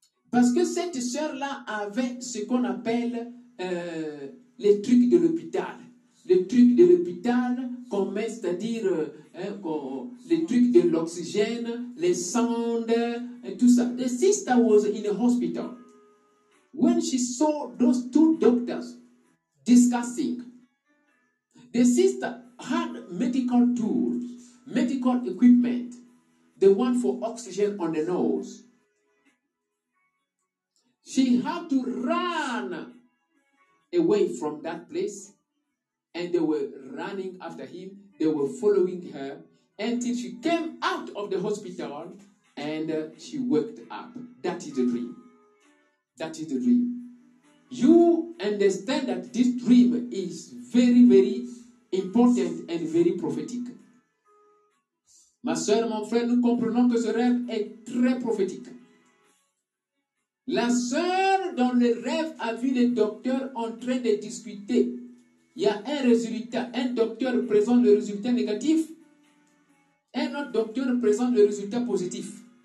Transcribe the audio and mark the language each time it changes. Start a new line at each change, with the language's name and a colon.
French: Parce que cette sœur-là avait ce qu'on appelle les trucs de l'hôpital. Les trucs de l'hôpital, c'est-à-dire les trucs de l'oxygène, les sondes, et tout ça.
English: The sister was in the hospital. When she saw those two doctors discussing, the sister had medical tools, medical equipment, the one for oxygen on the nose. She had to run away from that place. And they were running after him. They were following her until she came out of the hospital and she woke up. That is a dream. That is a dream. You understand that this dream is very, very important and very prophetic.
French: Ma soeur, mon frère, nous comprenons que ce rêve est très prophétique. La soeur dans le rêve a vu les docteurs en train de discuter. Il y a un résultat, un docteur présente le résultat négatif, un autre docteur présente le résultat positif.